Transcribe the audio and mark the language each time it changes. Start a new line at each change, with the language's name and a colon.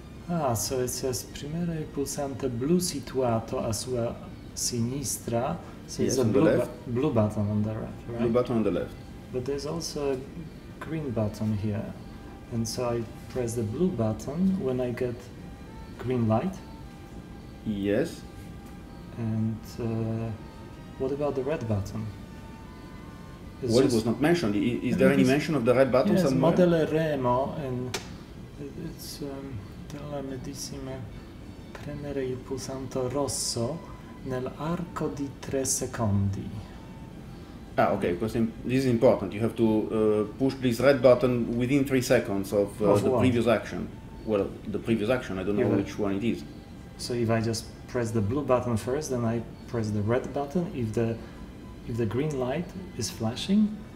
English: Ah, so it says
Italian: primero il pulsante blu situato a sua sinistra.
English: So yes, it's a blue button on the right, right? Blue button on the left. But there's also a green button here. And so I press the blue button when I get green light. Yes. And what about the red button? It was not mentioned. Is there any mention of the red button yes, somewhere? Modelle Remo, and it's...
Italian: Telemedicine, premere il pulsante rosso nell'arco di 3 secondi.
English: Ah, okay, because this is important. You have to push this red button within 3 seconds of the what? Previous action. Well, the previous action, I don't know which one it is. So if I just press the blue button first, then I press the red button, if the green light is flashing?